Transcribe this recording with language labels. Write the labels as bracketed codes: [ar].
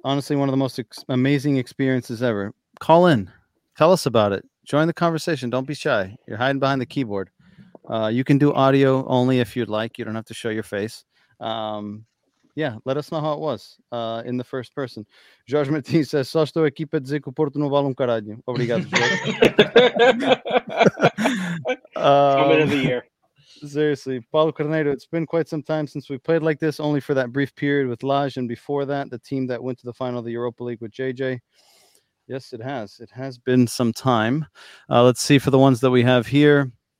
[en] Honestly, one of the most amazing experiences ever. Call in. Tell us about it. Join the conversation. Don't be shy. You're hiding behind the keyboard. You can do audio only if you'd like. You don't have to show your face. Yeah, let us know how it was in the first person. Jorge Martin says, [pt] só estou aqui para dizer que o Porto não vale caralho. Obrigado, Jorge. [en] Comment of the year. Seriously, Paulo Carneiro, it's been quite some time since we played like this, only for that brief period with Lage, and before that, the team that went to the final of the Europa League with JJ. Yes, it has. It has been some time. Let's see for the ones that we have here.